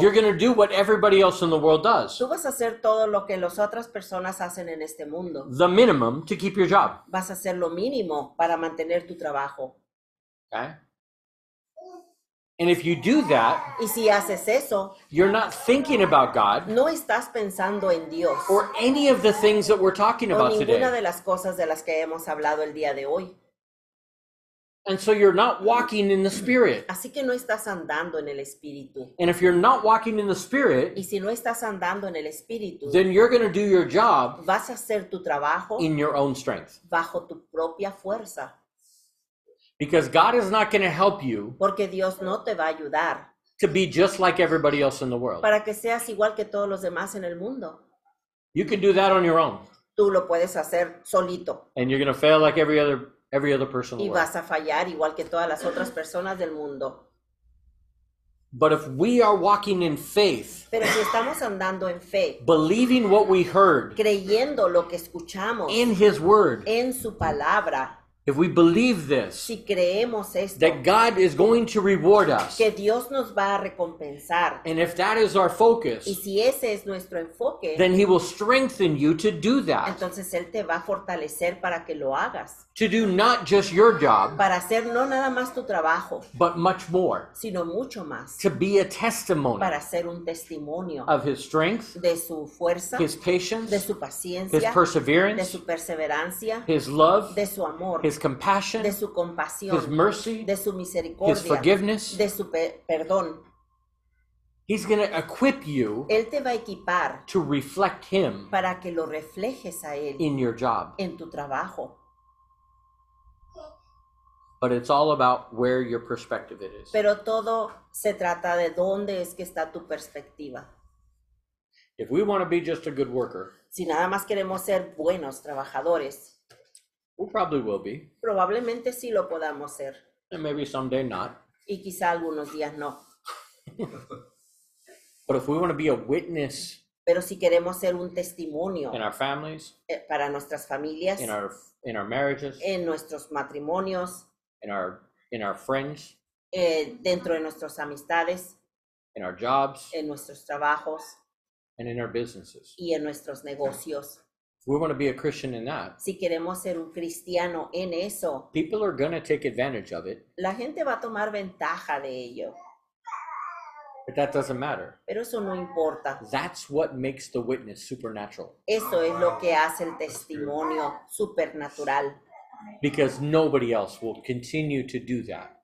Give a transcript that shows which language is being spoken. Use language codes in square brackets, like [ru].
[en] You're going to do what everybody else in the world does. [es] Tú vas a hacer todo lo que las otras personas hacen en este mundo. [en] The minimum to keep your job. [es] Vas a hacer lo mínimo para mantener tu trabajo. [en] Okay. And if you do that, [es] y si haces eso, [en] you're not thinking about God, [es] no estás pensando en Dios, [en] or any of the things that we're talking about [es] ninguna [en] today. [es] Ninguna de las cosas de las que hemos hablado el día de hoy. [en] And so you're not walking in the Spirit. [es] Así que no estás andando en el Espíritu. [en] And if you're not walking in the Spirit, [es] y si no estás andando en el Espíritu, [en] then you're going to do your job, [es] vas a hacer tu trabajo, [en] in your own strength, [es] bajo tu propia fuerza. [en] Because God is not going to help you, [es] porque Dios no te va a ayudar, [en] to be just like everybody else in the world, [es] para que seas igual que todos los demás en el mundo. [en] You can do that on your own. [es] Tú lo puedes hacer solito. [en] And you're going to fail like every other person. [es] Y vas a fallar igual que todas las otras personas del mundo. [en] But if we are walking in faith, [es] pero si estamos andando en fe, [en] believing what we heard, [es] creyendo lo que escuchamos, [en] in His word, [es] en su palabra. [en] If we believe this, [es] si creemos esto, [en] that God is going to reward us, [es] que Dios nos va a recompensar, [en] and if that is our focus, [es] y si ese es nuestro enfoque, [en] then He will strengthen you to do that. [es] Entonces Él te va a fortalecer para que lo hagas. [en] To do not just your job, [es] para hacer no nada más tu trabajo, [en] but much more, [es] sino mucho más, [en] to be a testimony, [es] para ser un testimonio, [en] of His strength, [es] de su fuerza, [en] His patience, [es] de su paciencia, [en] His perseverance, [es] de su perseverancia, [en] His love, [es] de su amor, [en] His compassion, [es] de su compasión, [en] His mercy, [es] de su misericordia, [en] His forgiveness, [es] de su perdón. [en] He's going to equip you, [es] él te va a equipar, [en] to reflect Him, [es] para que lo reflejes a él, [en] in your job, [es] en tu trabajo. [en] But it's all about where your perspective it is. [es] Pero todo se trata de dónde es que está tu perspectiva. [en] If we want to be just a good worker, [es] si nada más queremos ser buenos trabajadores, [en] we probably will be. [es] Probablemente sí lo podamos ser. [en] And maybe someday not. [es] Y quizá algunos días no. [en] But if we want to be a witness, [es] pero si queremos ser un testimonio, [en] in our families, [es] para nuestras familias, [en] in our marriages, [es] en nuestros matrimonios, [en] in our friends, [es] dentro de nuestras amistades, [en] in our jobs, [es] en nuestros trabajos, [en] and in our businesses, [es] y en nuestros negocios. [en] We want to be a Christian in that. [es] Si queremos ser un cristiano en eso, [en] people are going to take advantage of it. [es] La gente va a tomar ventaja de ello. [en] But that doesn't matter. [es] Pero eso no importa. [en] That's what makes the witness supernatural. [es] Eso es lo que hace el testimonio supernatural. [en] Because nobody else will continue to do that.